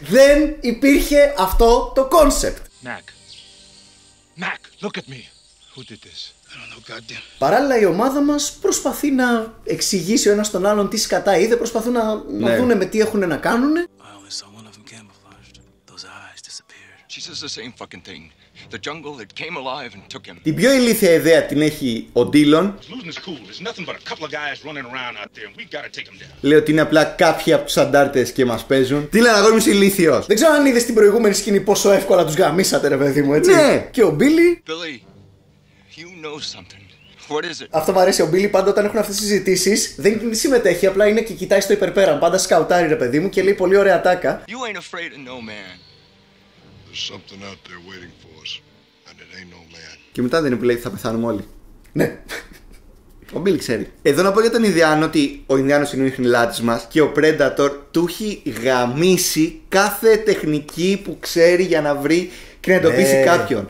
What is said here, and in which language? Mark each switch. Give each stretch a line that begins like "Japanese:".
Greek: Δεν υπήρχε αυτό το concept.
English: Mac. Mac, look at me. Who did this?
Greek: Παράλληλα η ομάδα μας προσπαθεί να εξηγήσει ο ένας τον άλλον τι σκατά είδε, προσπαθούν να, ναι. Να δούνε με τι έχουν να κάνουν.
English: The jungle that came alive and took him.
Greek: Την πιο ηλίθια ιδέα την έχει ο Ντίλον. Λέει ότι είναι απλά κάποιοι από τους αντάρτες και μας παίζουν. Τι λένε, αγόρι μου, είσαι ηλίθιος. Δεν ξέρω αν είδες την προηγούμενη σκηνή πόσο εύκολα τους γαμίσατε, ρε παιδί μου, έτσι. Ναι. Και ο Μπίλι.
English: Billy. You know something. What is it?
Greek: Αυτό μου αρέσει. Ο Μπίλι πάντα όταν έχουν αυτές τις συζητήσεις δεν συμμετέχει, απλά είναι και κοιτάει στο υπερπέραν. Πάντα σκαουτάρει, ρε παιδί μου, και λέει πολύ ωραία τάκα.
English: You ain't afraid of no man. There's something out there waiting for us, and it ain't no man.
Greek: Και μετά δεν είναι που λέει θα πεθάνουμε όλοι. Ναι. Ο Μπίλι ξέρει. Εδώ να πω για τον Ινδιάνο ότι ο Ινδιάνος είναι ο χνηλάτης μας και ο Predator του έχει γαμίσει κάθε τεχνική που ξέρει για να βρει και να εντοπίσει κάποιον.